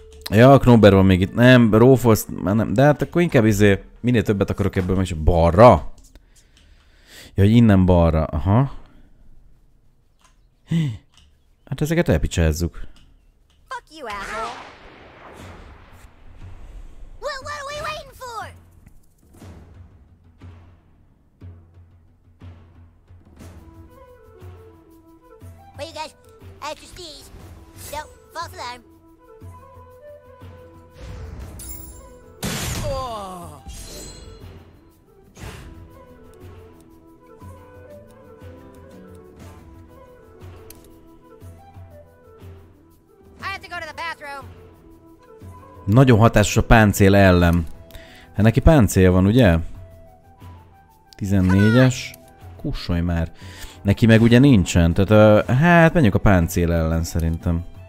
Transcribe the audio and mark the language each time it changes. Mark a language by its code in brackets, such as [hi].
[hu] Ja, a Knobber van még itt. Nem, Rófoszt, már nem. De hát akkor inkább izé, minél többet akarok ebből meg, és balra? Ja, hogy innen balra. Aha. Hát ezeket elpicsázzuk. [en] Fuck you, asshole. Well, what are we waiting for? Well, you guys, after sneeze. So, false alarm. I have to go to the bathroom. [hu] Nagyon hatásos a páncél ellen. Hát neki páncél van, ugye? 14-es. Kussolj már. Neki meg ugye nincsen. Tehát hát menjünk a páncél ellen szerintem.